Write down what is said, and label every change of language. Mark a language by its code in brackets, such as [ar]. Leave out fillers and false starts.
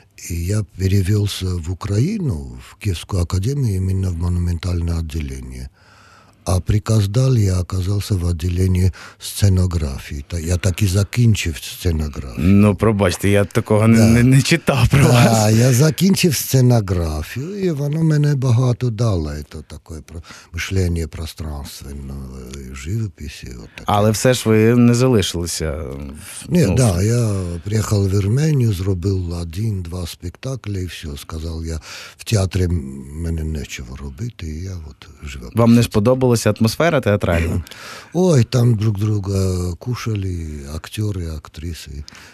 [uk] І я перевівся в Україну, в Київську академію, іменно в монументальне відділення. [ru] А приказ дали, я оказался в отделении сценографии. [uk] Я так и закінчив сценографию. Ну, пробачте, я такого не читав про вас. Да, я закінчив сценографию, и воно мене багато дало. [ru] Это такое мышление пространственного живописи. Вот [uk] але все ж ви не залишилися. [ru] Ні, ну, да, я приехал в Армению, [uk] зробив один-два [ru] спектакли, и все. [uk] Сказав я, [ru] в театре мене нечего робити, и я вот живописи. [uk] Вам не сподобалось? Була атмосфера театральна. [ru] Ой, там друг друга кушали актери, актриси.